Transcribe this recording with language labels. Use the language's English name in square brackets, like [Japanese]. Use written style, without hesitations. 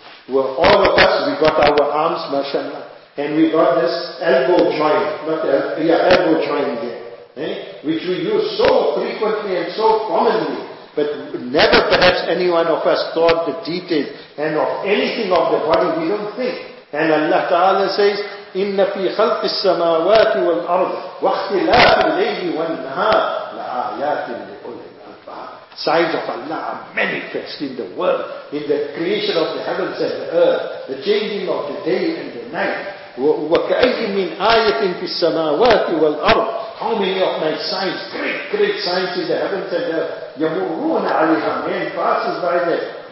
[English] Well, all of us, we got our arms, mashallah. And we got this elbow joint. Elbow joint there. Which we use so frequently and so commonly. But never perhaps any one of us thought the details and of anything of the body, we don't think. And Allah Ta'ala says, [Arabic] إِنَّ فِي خَلْقِ السَّمَاوَاتِ وَالْأَرْضِ وَاخْتِلَافِ اللَّيْلِ وَالنَّهَارِ لَآيَاتٍ لِأُولِي الْأَلْبَابِ. [English] Signs of Allah are manifest in the world, in the creation of the heavens and the earth, the changing of the day and the night. [Arabic] وَكَأَيِّ مِنْ آيَةٍ فِي السَّمَاوَاتِ وَالْأَرْضِ. [English] How many of my signs, great signs in the heavens and earth, [Arabic] يَمُرُّونَ عَلِيْهَا, [English] man passes by that.